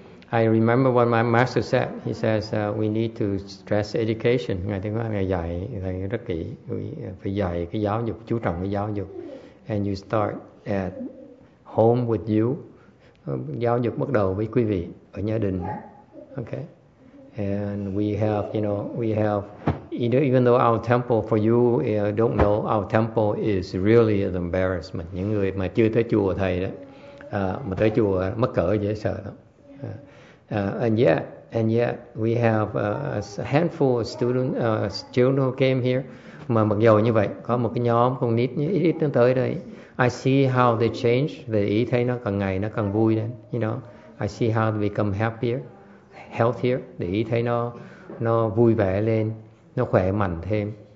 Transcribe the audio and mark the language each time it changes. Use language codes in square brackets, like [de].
[en] I remember what my master said. He says we need to stress education. [vi] Ngài thấy ngài dạy thầy rất kỹ. Phải dạy cái giáo dục, chú trọng cái giáo dục. [en] And you start at home with you. [vi] Giáo dục bắt đầu với quý vị ở gia đình. [en] Okay. And we have, you know, even though our temple for you don't know, our temple is really an embarrassment. [vi] Những người mà chưa tới chùa thầy đó, mà tới chùa mắc cỡ dễ sợ đó. [en] And yet, we have a handful of children came here. [vi] mà mặc dù như vậy, có một cái nhóm con nít ít ít tương tới đây. [en] I see how they change. [vi] Để ý thấy nó càng ngày nó càng vui lên, you know. [en] I see how they become happier, healthier. [vi] Để ý thấy nó vui vẻ lên, nó khỏe mạnh thêm.